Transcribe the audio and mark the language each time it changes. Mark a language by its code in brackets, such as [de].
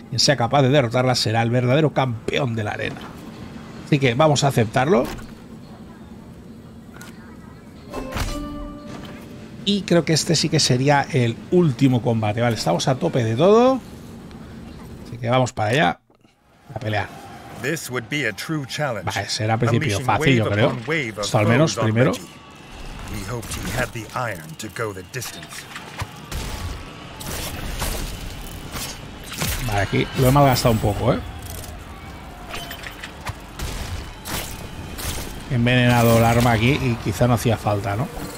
[es] Quien sea capaz de derrotarla será el verdadero campeón de la arena, así que vamos a aceptarlo. Y creo que este sí que sería el último combate. Vale, estamos a tope de todo, así que vamos para allá a pelear. [en] This would be a true challenge. [es] Vale, será al principio fácil, yo creo. Esto al menos, primero. [en] We hoped he had the iron to go the distance. [es] Vale, aquí lo he malgastado un poco, envenenado el arma aquí y quizá no hacía falta, ¿no?